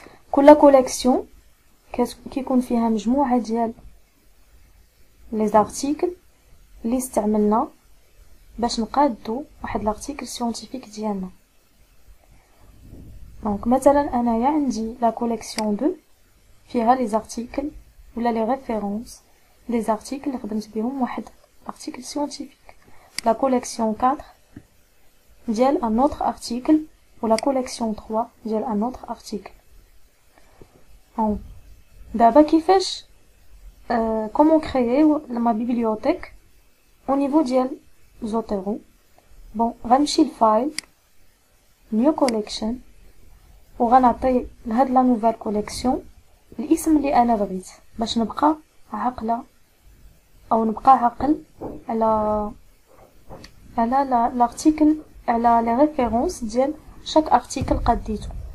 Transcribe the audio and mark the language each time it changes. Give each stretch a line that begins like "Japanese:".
Arabic: كل كوليكسيون كيكون فيها مجموعه ديال لي زارتيكل اللي استعملنا باش نقادو واحد لارتيكل سيونتيفيك ديالنا. دونك مثلا انايا عندي لا كوليكسيون 2 فيها لي زارتيكل ولا لي ريفيرونس
French: des articles
Arabic: خدمت بهم واحد
French: article scientifique. La collection 4 ديال un autre article ou la collection 3 ديال un autre article. Bon.
Arabic: دابا كيفاش
French: comment créer ma bibliothèque au niveau ديال Zotero.
Arabic: Bon, غنمشي للفايل
English: new collection
Arabic: وغنعطي لهاد لا
French: nouvelle collection
Arabic: الاسم اللي انا بغيت باش نبقى عقله او نبقى عقل على لارتيكل على لي ريفيرونس ديال شاك ارتيكل قديتو.